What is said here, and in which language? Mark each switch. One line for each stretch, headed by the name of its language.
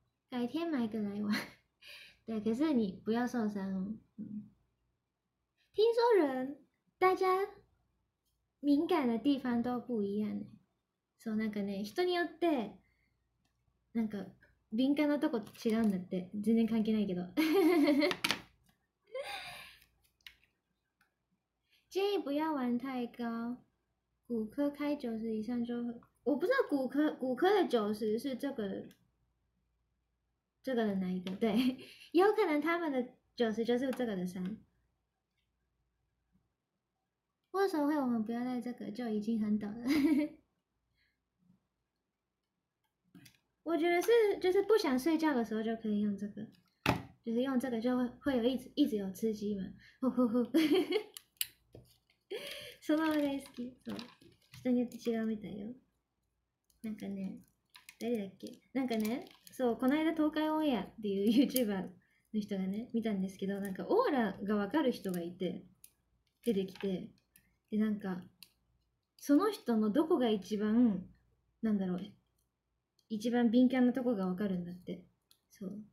Chinese: 改天买个来玩，对，可是你不要受伤哦。嗯，听说人大家敏感的地方都不一样呢。
Japanese: そう、なんかね、人によってなんか敏感なとこ違うんだって。全然関係ないけど。
Chinese: 建议不要玩太高，骨科开九十以上就，我不知道骨科的九十是这个的哪一个？对，有可能他们的九十就是这个的三。为什么会我们不要在这个就已经很懂了？我觉得是就是不想睡觉的时候就可以用这个，就是用这个就会有一直有刺激嘛，呼呼呼，什么
Japanese: 大好き，そう。人によって違うみたいよ。なんかね、誰だっけ？なんかね、そう、この間東海オンエアっていう YouTuber の人がね、見たんですけど、なんかオーラがわかる人がいて、出てきて、で、なんか、その人のどこが一番、なんだろう、一番敏感なとこがわかるんだって。そう。